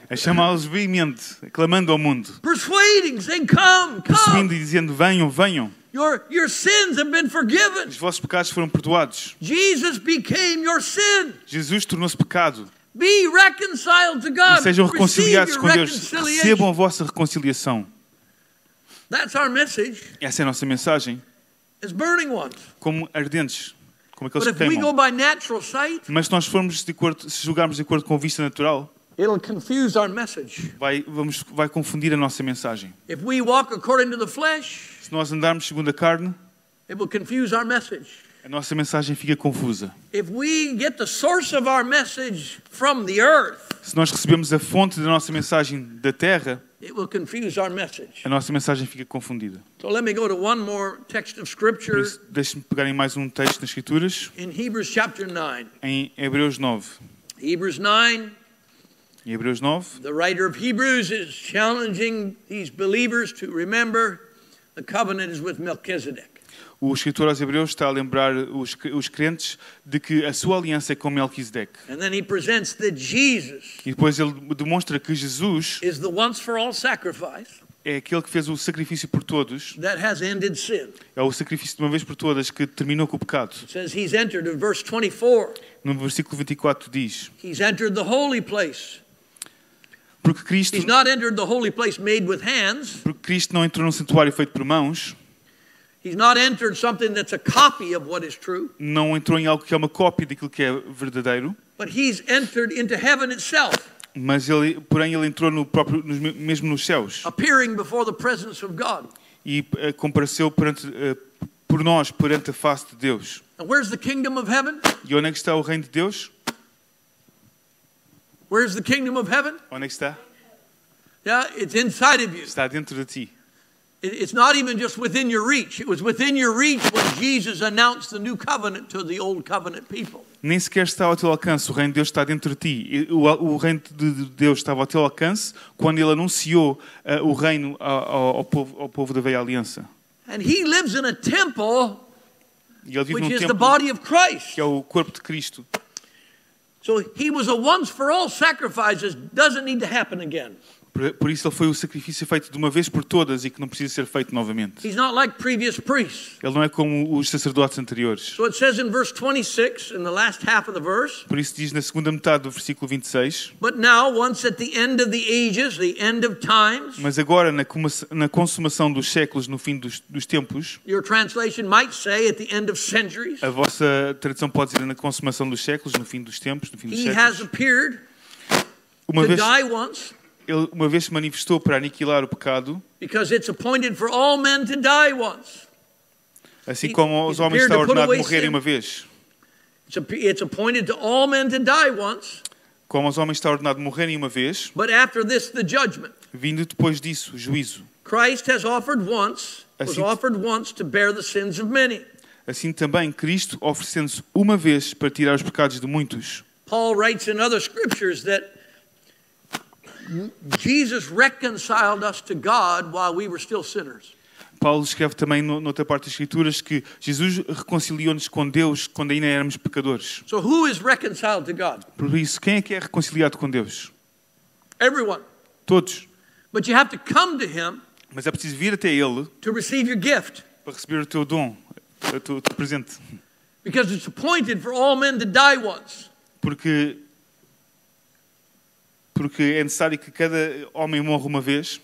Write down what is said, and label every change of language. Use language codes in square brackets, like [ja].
[pt] A chamá-los veemente, clamando ao mundo. [en] Persuading, saying, come, come. [pt] Persuadindo e dizendo, venham, venham. [en] Your sins have been forgiven. [pt] Os vossos pecados foram perdoados. [en] Jesus became your sin. [pt] Jesus tornou-se pecado. [en] Be reconciled to God. [pt] E sejam reconciliados com Deus. Recebam a vossa reconciliação. [en] That's our message. [pt] Essa é a nossa mensagem. [en] As burning ones. [pt] Como ardentes. Como aqueles que queimam. [en] But if we go by natural sight, [pt] mas se nós formos de acordo, se julgarmos de acordo com a vista natural, [en] it'll confuse our message. [pt] Vai confundir a nossa mensagem. [en] If we walk according to the flesh, [pt] se nós andarmos segundo a carne, [en] it will confuse our message. [pt] A nossa mensagem fica confusa. [en] If we get the source of our message from the earth, [pt] se nós recebemos a fonte da nossa mensagem da terra, [en] it will confuse our message. [pt] A nossa mensagem fica confundida. [en] So let me go to one more text of scripture. [pt] Por isso, deixe-me pegar em mais um texto nas Escrituras. [en] In Hebrews chapter 9. [pt] Em Hebreus 9. [en] Hebrews 9. [pt] Em Hebreus 9. [en] The writer of Hebrews is challenging these believers to remember the covenant is with Melchizedek. [pt] O escritor aos Hebreus está a lembrar os crentes de que a sua aliança é com Melquisedeque. [en] And then he presents that Jesus, [pt] e depois ele demonstra que Jesus [en] is the once for all sacrifice, [pt] é aquele que fez o sacrifício por todos. [en] That has ended sin. [pt] É o sacrifício de uma vez por todas que terminou com o pecado. [en] It says he's entered in verse 24. [pt] No versículo 24 diz: [en] he's entered the holy place. [pt] Porque Cristo, [en] he's not entered the holy place made with hands. [pt] Porque Cristo não entrou num santuário feito por mãos. [en] He's not entered something that's a copy of what is true. [pt] Não entrou em algo que é uma cópia daquilo que é verdadeiro. [en] But he's entered into heaven itself. [pt] Mas ele, porém, ele entrou no próprio, mesmo nos céus. [en] Appearing before the presence of God. [pt] E compareceu perante, por nós, perante a face de Deus. [en] And where's the kingdom of heaven? [pt] E onde é que está o reino de Deus? [en] Where is the kingdom of heaven? [pt] Onde está? [en] Yeah, it's inside of you. [pt] Está dentro de ti. [en] It's not even just within your reach. It was within your reach when Jesus announced the new covenant to the old covenant people. [pt] Nem sequer está ao teu alcance. O reino de Deus está dentro de ti. O reino de Deus estava ao teu alcance quando ele anunciou o reino ao povo da velha aliança. [en] And he lives in a temple, which is the body of Christ. [pt] Que é o corpo de Cristo. [en] So he was a once for all sacrifice, doesn't need to happen again. [pt] Por isso ele foi o sacrifício feito de uma vez por todas e que não precisa ser feito novamente. [en] He's not like previous priests. [pt] Ele não é como os sacerdotes anteriores. [en] So it says in verse 26, in the last half of the verse. [pt] Por isso diz na segunda metade do versículo 26. [en] But now, once at the end of the ages, the end of times. [pt] Mas agora na consumação dos séculos, no fim dos tempos. [en] Your translation might say at the end of centuries. [pt] A vossa tradução pode dizer na consumação dos séculos, no fim dos tempos, no fim dos [en] he [pt] séculos. [en] He has appeared [pt] uma [en] to [pt] vez, [en] die once. [pt] Ele uma vez se manifestou para aniquilar o pecado. [en] Because it's appointed for all men to die once. [pt] Assim como os homens estão ordenados a morrerem uma vez. [en] It's appointed to all men to die once. [pt] Como os homens estão ordenados a morrerem uma vez. [en] But after this, the judgment. [pt] Vindo depois disso, o juízo. [en] Christ has offered once, was offered once to bear the sins of many. [pt] Assim também, Cristo oferecendo-se uma vez para tirar os pecados de muitos. [en] Paul writes in other scriptures that Jesus reconciled us to God while we were still sinners. [pt] Paulo escreve também noutra parte das escrituras que Jesus reconciliou-nos com Deus quando ainda éramos pecadores. [en] So who is reconciled to God? [pt] Por isso, quem é que é reconciliado com Deus? [en] Everyone. [pt] Todos. [en] But you have to come to him. [pt] Mas é preciso vir até ele. [en] To receive your gift. [pt] Para receber o teu dom, o teu presente. [en] Because it's appointed for all men to die once. [pt] Porque é necessário que cada homem morra uma vez.